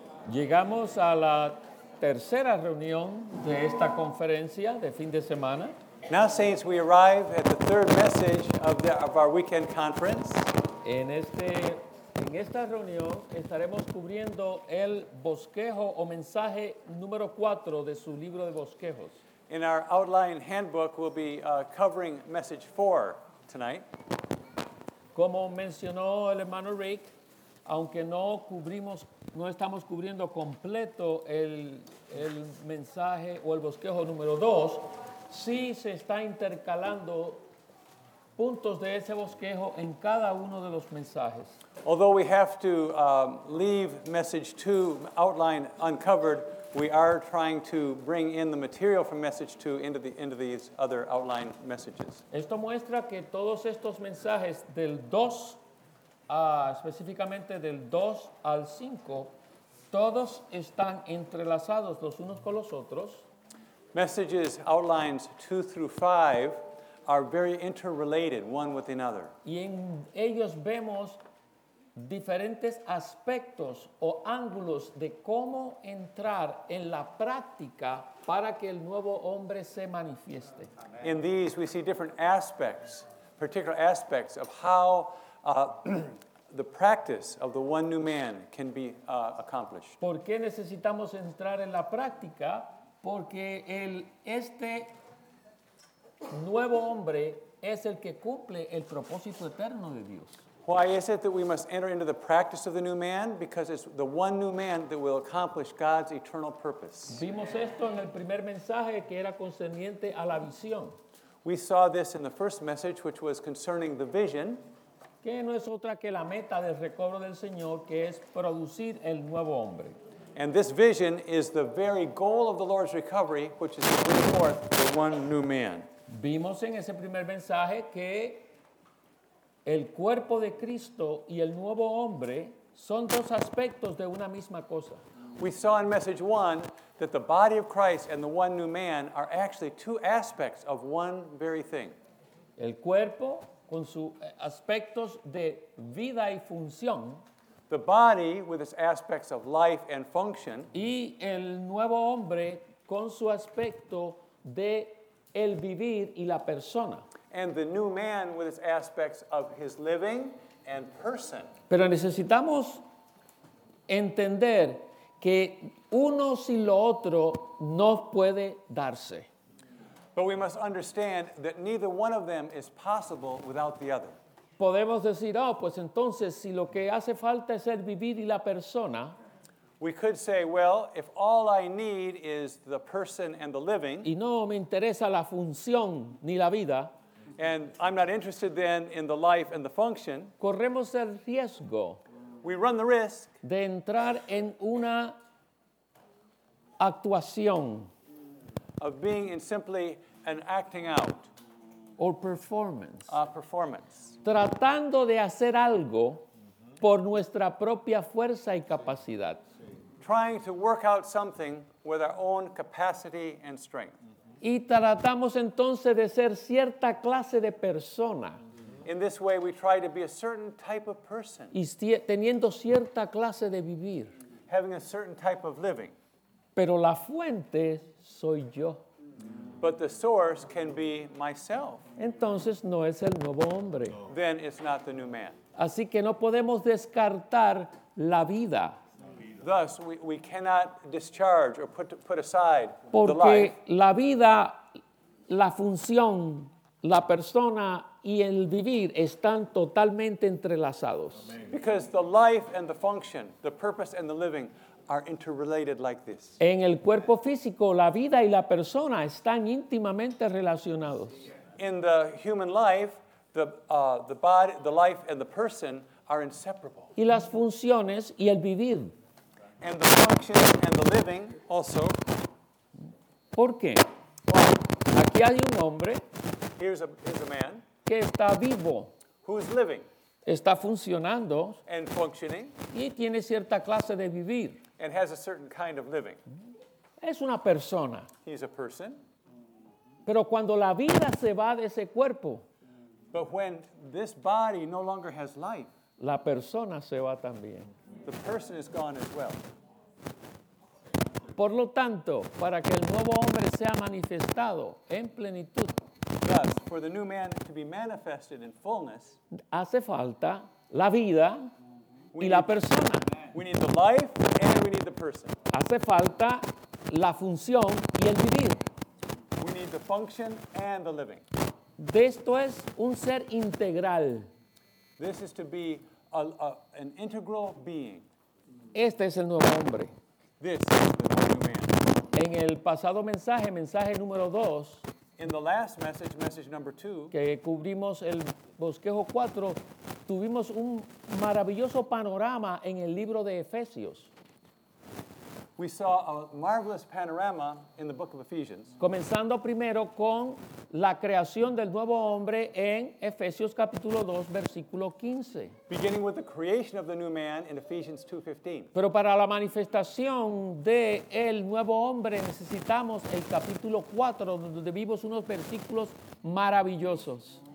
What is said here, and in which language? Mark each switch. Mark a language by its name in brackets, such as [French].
[Spanish] Llegamos a la tercera reunión de esta conferencia de fin de semana. [English] Now, saints, we arrive at the third message of our weekend conference. [Spanish] En esta reunión estaremos cubriendo el bosquejo o mensaje número 4 de su libro de bosquejos. [English] In our outline handbook, we'll be covering message 4 tonight. [Spanish] Como mencionó el hermano Rick, aunque no estamos cubriendo completo el mensaje o el bosquejo número 2, sí se está intercalando puntos de ese bosquejo en cada uno de los mensajes. [English] Although we have to leave message 2 outline uncovered, we are trying to bring in the material from message 2 into these other outline messages. [Spanish] Esto muestra que todos estos mensajes del 2 específicamente del 2 al 5, todos están entrelazados los unos con los otros. [English] Messages outlines 2 through 5 are very interrelated one with another. [Spanish] Y en ellos vemos diferentes aspectos o ángulos de cómo entrar en la práctica para que el nuevo hombre se manifieste. [English] In these we see different aspects, particular aspects of how the practice of the one new man can be accomplished. [Spanish] ¿Por qué necesitamos entrar en la práctica? Porque este nuevo hombre es el que cumple el propósito eterno de Dios. [English] Why is it that we must enter into the practice of the new man? Because it's the one new man that will accomplish God's eternal purpose. [Spanish] Vimos esto en el primer mensaje que era concerniente a la visión. [English] We saw this in the first message, which was concerning the vision. [Spanish] Que no es otra que la meta del recobro del Señor, que es producir el nuevo hombre. [English] And this vision is the very goal of the Lord's recovery, which is to bring forth the one new man. [Spanish] Vimos en ese primer mensaje que el cuerpo de Cristo y el nuevo hombre son dos aspectos de una misma cosa. [English] We saw in message 1 that the body of Christ and the one new man are actually two aspects of one very thing. [Spanish] El cuerpo con sus aspectos de vida y función. [English] The body with its aspects of life and function. [Spanish] Y el nuevo hombre con su aspecto de el vivir y la persona. [English] And the new man with its aspects of his living and person. [Spanish] Pero necesitamos entender que uno sin lo otro no puede darse. [English] But we must understand that neither one of them is possible without the other. [Spanish] Podemos decir, oh, pues entonces, si lo que hace falta es el vivir y la persona. [English] We could say, well, if all I need is the person and the living. [Spanish] Y no me interesa la función ni la vida. [English] And I'm not interested then in the life and the function. [Spanish] Corremos el riesgo. [English] We run the risk. [Spanish] De entrar en una actuación. [English] Of being in simply an acting out. Or performance. A performance. [Spanish] Tratando de hacer algo por nuestra propia fuerza y capacidad. [English] Trying to work out something with our own capacity and strength. [Spanish] Y tratamos entonces de ser cierta clase de persona. [English] In this way we try to be a certain type of person. [Spanish] Y teniendo cierta clase de vivir. [English] Having a certain type of living. [Spanish] Pero la fuente soy yo. [English] But the source can be myself. [Spanish] Entonces no es el nuevo hombre. [English] Then it's not the new man. [Spanish] Así que no podemos descartar la vida. [English] Thus, we cannot discharge or put aside the life. [Spanish] Porque la vida, la función, la persona y el vivir están totalmente entrelazados. [English] Because the life and the function, the purpose and the living are interrelated like this. [Spanish] En el cuerpo físico, la vida y la persona están íntimamente relacionados. [English] In the human life, the body, the life and the person are inseparable. [Spanish] Y las funciones y el vivir. [English] And the function and the living also. [Spanish] ¿Por qué? [English] Well, [Spanish] aquí hay un hombre. [English] Here's a man. [Spanish] Que está vivo. [English] Who's living. [Spanish] Está funcionando. [English] And functioning. [Spanish] Y tiene cierta clase de vivir. [English] And has a certain kind of living. [Spanish] Es una persona. [English] He's a person. [Spanish] Pero cuando la vida se va de ese cuerpo. [English] But when this body no longer has life. [Spanish] La persona se va también. [English] The person is gone as well. [Spanish] por lo tanto, para que el nuevo hombre sea manifestado en plenitud, [English] thus, for the new man to be manifested in fullness, [Spanish] hace falta la vida y la persona. [English] We need the life and we need the person. [Spanish] Hace falta la función y el vivir. [English] We need the function and the living. [Spanish] De esto es un ser integral. [English] This is to be an integral being. [Spanish] Este es el nuevo hombre. [English] This is the new man. [Spanish] En el pasado mensaje, mensaje número 2, [English] in the last message, message number 2, [Spanish] que cubrimos el bosquejo 4, tuvimos un maravilloso panorama en el libro de Efesios. [English] We saw a marvelous panorama in the book of Ephesians. [Spanish] Comenzando primero con la creación del nuevo hombre en Efesios capítulo 2, versículo 15. [English] Beginning with the creation of the new man in Ephesians 2:15. [Spanish] Pero para la manifestación del nuevo hombre necesitamos el capítulo 4, donde vimos unos versículos maravillosos.